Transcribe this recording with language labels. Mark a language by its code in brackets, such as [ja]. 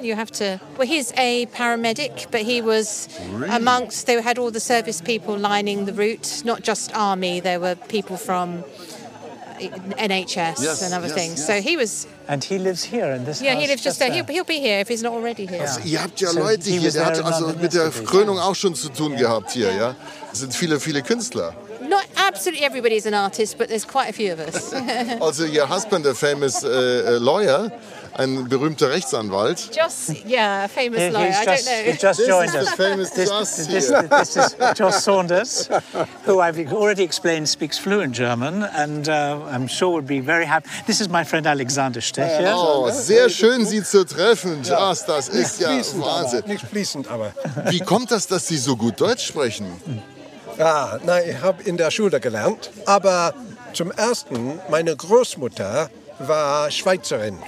[en] He's a paramedic, but he was really? Amongst, they had all the service people lining the route, not just army, there were people from NHS and other things. Yes. So he was... And he lives here in this house. Yeah, he lives just there. He'll be here if he's not already here. [de] Also, ihr habt ja Leute hier, der hat also mit der Krönung auch schon zu tun gehabt hier, ja? Es sind viele, viele Künstler. [en] Not absolutely everybody's an artist, but there's quite a few of us. Also your husband, a famous lawyer, [de] ein berühmter Rechtsanwalt. [en] Joss, yeah, a famous lawyer, just, I don't know. He's just this joined is us. The famous this, Joss this, this, this is Joss Saunders, who I've already explained speaks fluent German, and I'm sure would be very happy. This is my friend Alexander Stecher. [de] Oh, sehr schön, Sie zu treffen, Joss, das ist ja fließend, Wahnsinn. Aber. Nicht fließend, aber. Wie kommt das, dass Sie so gut Deutsch sprechen? Ich habe in der Schule gelernt. Aber zum Ersten, meine Großmutter war Schweizerin.